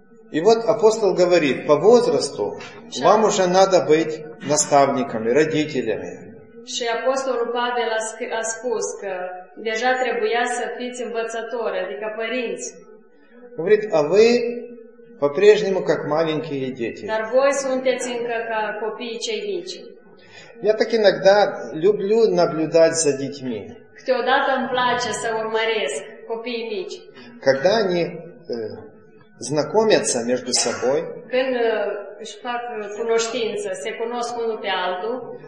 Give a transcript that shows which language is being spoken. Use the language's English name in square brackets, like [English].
[Russian] И вот апостол говорит: по возрасту вам уже надо быть наставниками, родителями. [Romanian] Și apostolul Pavel a spus că deja trebuia să fiți învățători, adică părinți. [Russian] Говорит, а вы по-прежнему как маленькие дети. [Romanian] Dar voi sunteți încă ca copii cei mici. [Russian] Я так иногда люблю наблюдать за детьми. [Romanian] Câteodată îmi place să urmăresc copiii mici. [Russian] Когда они знакомятся между собой. [Romanian] Când își fac cunoștință, se cunosc unul pe altul.